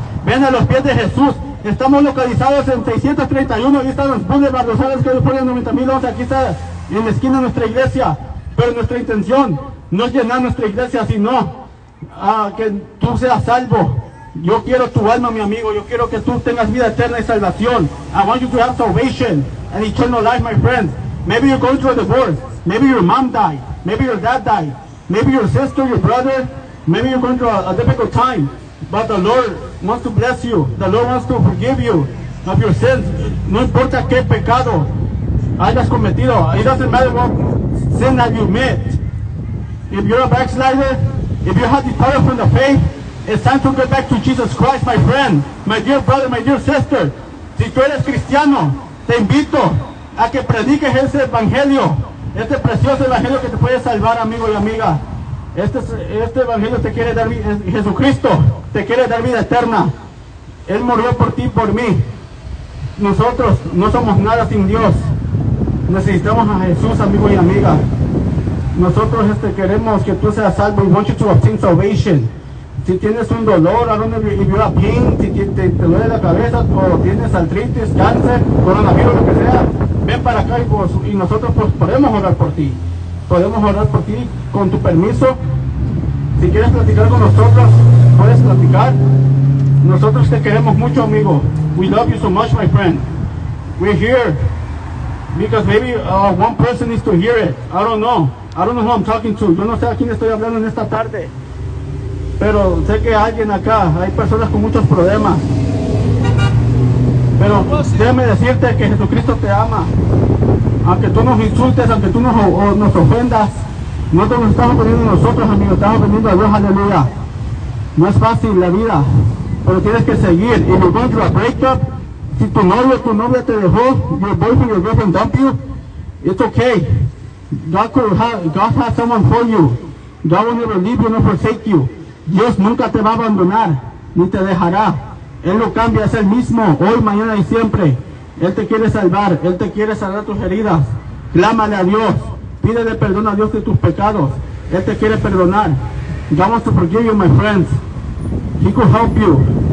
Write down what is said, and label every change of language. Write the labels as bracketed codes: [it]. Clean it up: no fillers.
[es] Ven a los pies de Jesús. Estamos localizados en 631, aquí están los Boulevard, los Ángeles, California 90011, aquí está en la esquina de nuestra iglesia. Pero nuestra intención no es llenar nuestra iglesia, sino que tú seas salvo. Yo quiero tu alma, mi amigo. Yo quiero que tú tengas vida eterna y salvación. [en] I want you to have salvation and eternal life, my friends. Maybe you're going through a divorce. Maybe your mom died. Maybe your dad died. Maybe your sister, your brother. Maybe you're going through a difficult time. But the Lord wants to bless you. The Lord wants to forgive you of your sins. [es] No importa qué pecado hayas cometido. [en] It doesn't matter what sin that you met. If you're a backslider, if you have departed from the faith, it's time to get back to Jesus Christ, my friend, my dear brother, my dear sister. [es] Si tú eres cristiano, te invito a que prediques ese evangelio, este precioso evangelio que te puede salvar, amigo y amiga. Este evangelio te quiere dar vida, Jesucristo te quiere dar vida eterna. Él murió por ti, por mí. Nosotros no somos nada sin Dios. Necesitamos a Jesús, amigo y amiga. Nosotros queremos que tú seas salvo. [en] We want you to obtain salvation. [es] Si tienes un dolor, [en] if you have pain, [es] si te duele la cabeza, o tienes artritis, cáncer, coronavirus, lo que sea, ven para acá y nosotros pues podemos orar por ti. Podemos orar por ti con tu permiso. Si quieres platicar con nosotros, puedes platicar. Nosotros te queremos mucho, amigo. [en] We love you so much, my friend. We're here because maybe one person needs to hear it. I don't know who I'm talking to. [es] Yo no sé a quién estoy hablando en esta tarde. Pero sé que alguien acá, hay personas con muchos problemas. Pero déjame decirte que Jesucristo te ama. Aunque tú nos insultes, aunque tú nos ofendas, no te lo estás ofendiendo a nosotros, amigos. Estás ofendiendo a Dios, aleluya. No es fácil la vida, pero tienes que seguir. [en] If you're going through a breakup, [es] si tu novio o tu novia te dejó, [en] your boyfriend, your girlfriend dumped you, it's okay. God has someone for you. God will never leave you nor forsake you. [es] Dios nunca te va a abandonar ni te dejará. Él no cambia, es el mismo, hoy, mañana y siempre. Él te quiere salvar, Él te quiere sanar tus heridas. Clámale a Dios, pídele perdón a Dios de tus pecados. Él te quiere perdonar. [en] God wants to forgive you, my friends. He could help you.